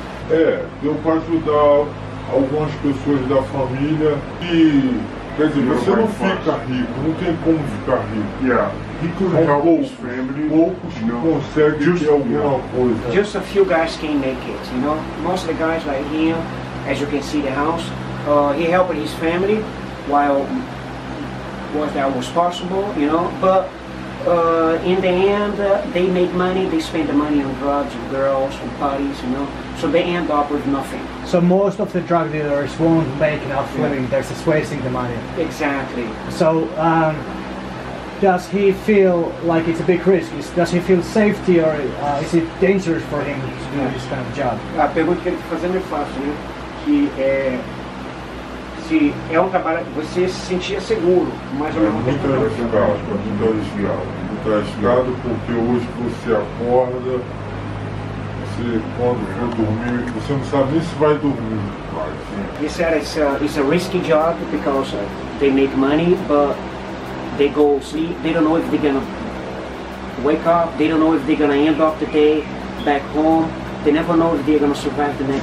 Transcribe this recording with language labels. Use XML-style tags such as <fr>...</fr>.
<pt>É, deu para ajudar algumas pessoas da família. E, quer dizer, você não fica rico, não tem como ficar rico.</pt> <en>Just a few guys can make it, you know? Most of the guys like him, as you can see the house, he helped his family while that was possible, you know? But in the end, they make money, they spend the money on drugs and girls and parties, you know? So they end up with nothing. So most of the drug dealers won't make enough living, they're just wasting the money. Exactly. So, does he feel like it's a big risk? Does he feel safety or is it dangerous for him to do this kind of job?</en> <pt>A pergunta que ele faz é muito fácil, né? Que é se é um trabalho você se sentia seguro, mais ou menos. Muito arriscado, muito arriscado. Muito arriscado porque hoje você acorda, você quando for dormir, você não sabe nem se vai dormir.</pt> <en>He said it's a risky job because they make money, but they go sleep, they don't know if they're gonna wake up, they don't know if they're gonna end up the day back home, they never know if they're gonna survive the next</en>